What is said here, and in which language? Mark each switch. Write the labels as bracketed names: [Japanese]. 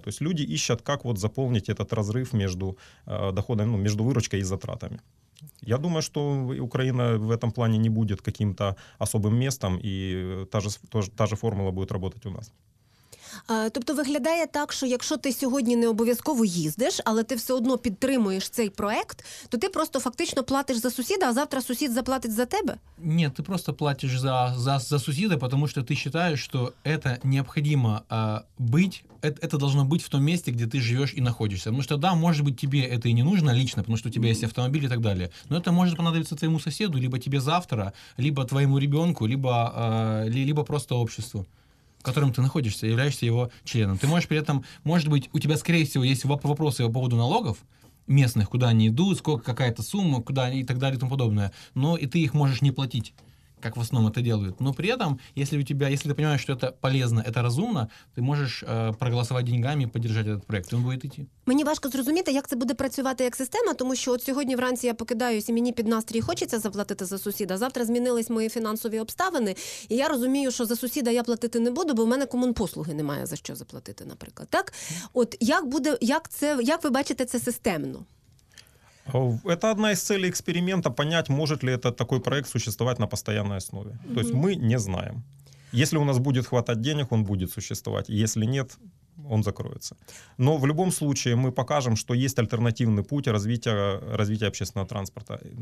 [Russian] То есть люди ищут, как вот заполнить этот разрыв между доходами, ну, между выручкой и затратами. Я думаю, что Украина в этом плане не будет каким-то особым местом, и та же формула будет работать у нас. [Ukrainian] Тобто виглядає так, що якщо ти сьогодні не обов'язково їздиш, але ти все одно підтримуєш цей проект, то ти просто фактично платиш за сусіда, а завтра сусід заплатить за тебе? Ні, ти просто платиш за сусіда, тому що ти вважаєш, що це необхідно це должно бути в тому місці, де ти живеш і знаходишся. Тому що, да, може бути, тобі це і не нужно лично, тому що у тебе є автомобіль і так далі. Но це може понадобиться твоєму сусіду, либо тебе завтра, либо твоєму ребенку, либо просто [Russian] обществу, в котором ты находишься, являешься его членом. Ты можешь при этом, может быть, у тебя, скорее всего, есть вопросы по поводу налогов местных, куда они идут, сколько какая-то сумма, куда они и так далее и тому подобное. Но и ты их можешь не платить, как в основном это делают. Но при этом, если ты понимаешь, что это полезно, это разумно, ты можешь проголосовать деньгами и поддержать этот проект, и он будет идти. [Ukrainian] Мені важко зрозуміти, як це буде працювати як система, тому що от сьогодні вранці я покидаюся, мені під настрій хочеться заплатити за сусіда, завтра змінились мої фінансові обставини, і я розумію, що за сусіда я платити не буду, бо в мене комунпослуги немає за що заплатити, наприклад. Так? От як буде, як ви бачите це системно? [Russian] Это одна из целей эксперимента, понять, может ли этот такой проект существовать на постоянной основе. Mm-hmm. То есть мы не знаем. Если у нас будет хватать денег, он будет существовать. Если нет, он закроется. Но в любом случае мы покажем, что есть альтернативный путь развития общественного транспорта.